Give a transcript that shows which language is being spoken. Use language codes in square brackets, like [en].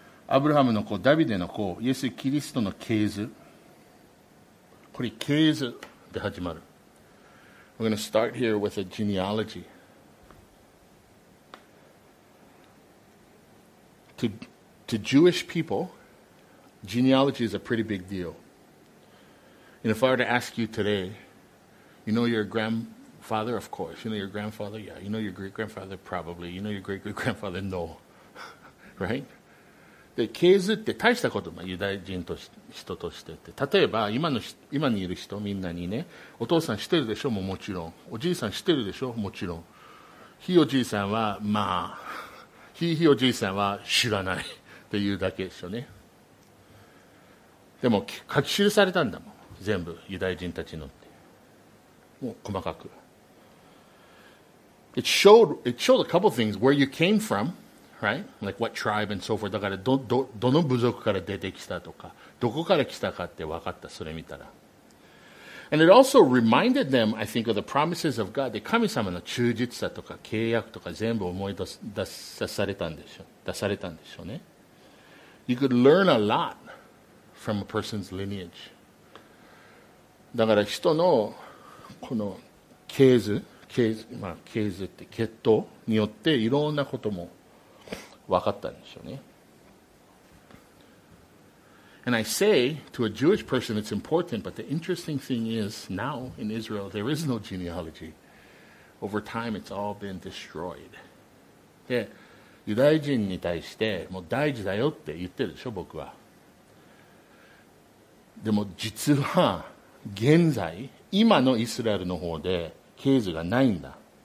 [ja] アブラハムの子、ダビデの子、イエス・キリストの系図。これ、系図で始まる。 [en] We're going to start here with a genealogy. To Jewish people, genealogy is a pretty big deal. And if I were to ask you today, you know your grandfather, of course. You know your grandfather? Yeah. You know your great-grandfather? Probably. You know your great-great-grandfather? No. Right? [ja] で、系図って大したことない、ユダヤ人と人としてって。例えば今にいる人みんなにね、お父さん知ってるでしょ、もちろん、おじいさん知ってるでしょ、もちろん、ひいおじいさんはまあ、ひいおじいさんは知らないっていうだけでしょね。でも書き記されたんだもん、全部ユダヤ人たちのって、もう細かく。 [en] It showed a couple things where you came fromRight, like what tribe and so forth. [ja] だからどの部族から出てきたとか、どこから来たかって分かった、それ見たら。 [en] And it also reminded them, I think, of the promises of God. [ja] で、神様の忠実さとか契約とか全部思い出されたんでしょうね。 [en] You could learn a lot from a person's lineage. [ja] だから人のこの系図って血統によっていろんなことも分かったんでしょうね。 [en] And I say to a Jewish person it's important, but the interesting thing is now in Israel there is no genealogy. Over time it's all been destroyed. [ja] で、ユダヤ人に対してもう大事だよって言ってるでしょ、僕は。でも実は現在、今のイスラエルの方で系図がないんだ。